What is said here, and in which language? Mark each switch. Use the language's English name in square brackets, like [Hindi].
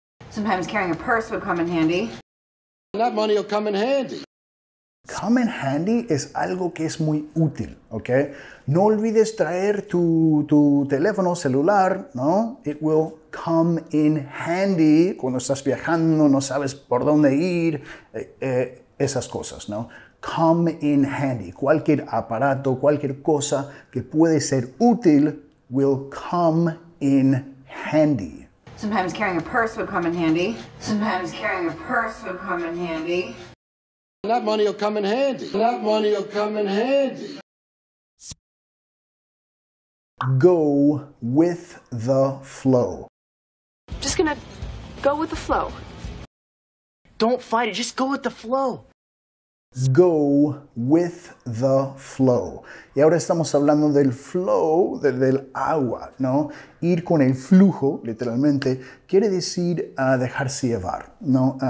[English] Sometimes carrying a purse would come in handy. That money will come in handy. Come in handy [Spanish] es algo que es muy útil, ¿ok? No olvides traer tu teléfono celular, ¿no? [English] It will come in handy [Spanish] cuando estás viajando, no sabes por dónde ir, esas cosas, ¿no? [English] Come in handy. [Spanish] Cualquier aparato, cualquier cosa que puede ser útil [English] will come in handy. Sometimes carrying a purse would come in handy. Sometimes carrying a purse would come in handy. That money will come in handy. That money will come in handy. Go with the flow. Just gonna go with the flow. Don't fight it, just go with the flow. Go with the flow. [Spanish] Y ahora estamos hablando del flow, del agua, ¿no? Ir con el flujo, literalmente, quiere decir dejarse llevar, ¿no?